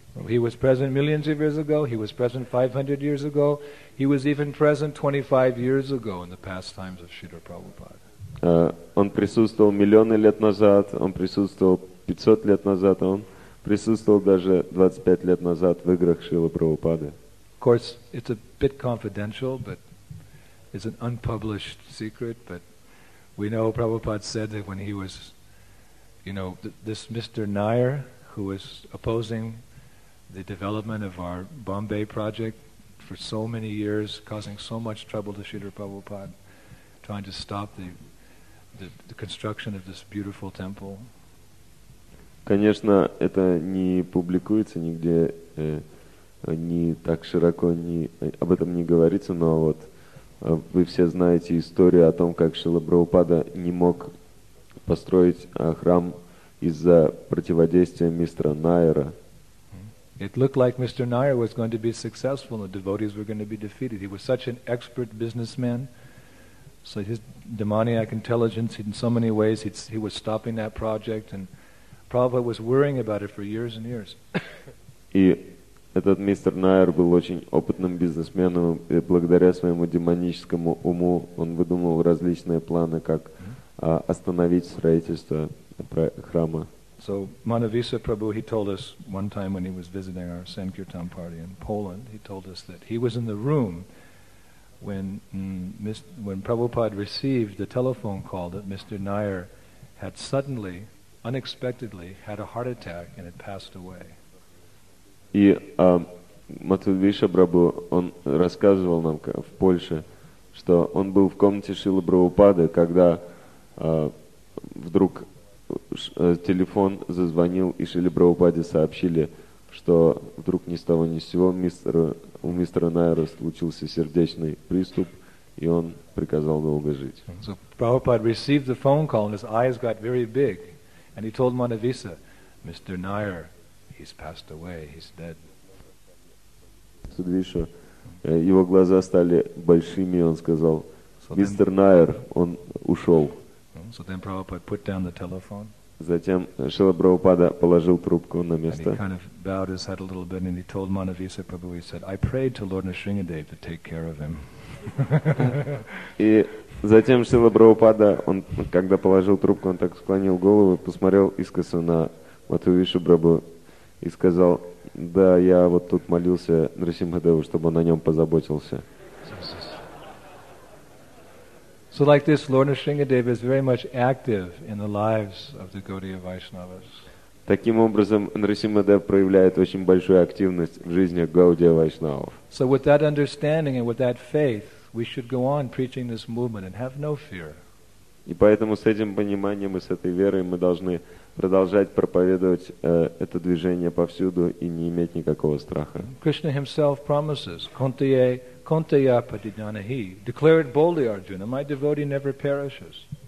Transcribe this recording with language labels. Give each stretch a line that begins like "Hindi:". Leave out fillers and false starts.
English: He was present millions of years ago, he was present 500 years ago, he was even present 25 years ago in the pastimes of Śrīla Prabhupāda.
Russian: Он присутствовал миллионы лет назад, он присутствовал 500 лет назад, он присутствовал даже 25 лет назад в играх Шрилы Прабхупады.
English: Of course, it's a bit confidential, but it's an unpublished secret, but we know Prabhupāda said that when he was, you know, this Mr. Nair, who was opposing the development of our Bombay project for so many years, causing so much trouble to Śrīla Prabhupāda, trying to stop the construction of this beautiful temple.
Russian: Конечно, это не публикуется нигде, не так широко, не об этом не говорится, но вот вы все знаете историю о том, как Шрила Прабхупада не мог построить храм из-за противодействия мистера Найера.
English: It looked like Mr. Nair was going to be successful and the devotees were going to be defeated. He was such an expert businessman. So his demoniac intelligence, in so many ways, he was stopping that project, and Prabhupada was worrying about it for years and years.
Russian: И Этот мистер Найер был очень опытным бизнесменом, и благодаря своему демоническому уму он выдумал различные планы, как остановить строительство храма.
English: So Manavisa Prabhu, he told us one time when he was visiting our Sankirtan party in Poland, he told us that he was in the room when Prabhupada received the telephone call that Mr. Nair had suddenly, unexpectedly, had a heart attack and had passed away.
Russian: И Манависа Прабху, он рассказывал нам в Польше, что он был в комнате Шрилы Прабхупады, когда вдруг телефон зазвонил, и Шрили Прабхупаде сообщили, что вдруг ни с того ни с сего у мистера Найра случился сердечный приступ, и он приказал долго жить.
English: So Prabhupada received the phone call, and his eyes got very big, and he told Manavisa, Mr. Nair, he's passed away, he's dead.
Russian: Судвиша, его глаза стали большими, и он сказал, мистер Найер, он ушел.
English: So then Prabhupada put down the telephone.
Russian: Затем Шрила Прабхупада положил трубку на место.
English: And he kind of bowed his head a little bit and he told Manavisa Prabhu, he said, I prayed to Lord Nrisimhadeva to take care of him.
Russian: И затем Шрила Прабхупада, он, когда положил трубку, он так склонил голову, посмотрел искоса на Манавису Прабху и сказал, да, я вот тут молился Нрисимхадеву, чтобы он о нем позаботился.
English: So like this, Lord Nrisimhadeva is very much active in the lives of the Gaudiya Vaishnavas.
Russian: Таким образом, Нрисимхадев проявляет очень большую активность в жизни Гаудия Вайшнавов.
English: So with that understanding and with that faith, we should go on preaching this movement and have no fear.
Russian: И поэтому с этим пониманием и с этой верой мы должны продолжать проповедовать это движение повсюду и не иметь никакого страха.
English: Krishna himself promises, Kuntiye, Kuntiya Padidanahi, declare it boldly, Arjuna, my devotee never perishes.